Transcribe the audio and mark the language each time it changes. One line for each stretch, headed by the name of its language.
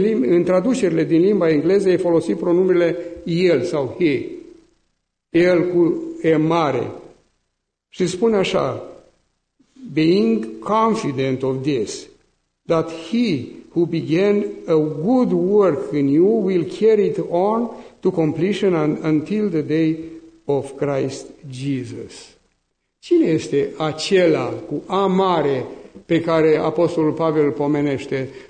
Romanian: În traducerile din limba engleză e folosit pronumele el sau he, el cu e mare.
English: Și spune așa, being confident of this, that he who began a good work in you will carry it on to completion until the day of Christ Jesus.
Romanian: Cine este acela cu a mare pe care Apostolul Pavel pomenește?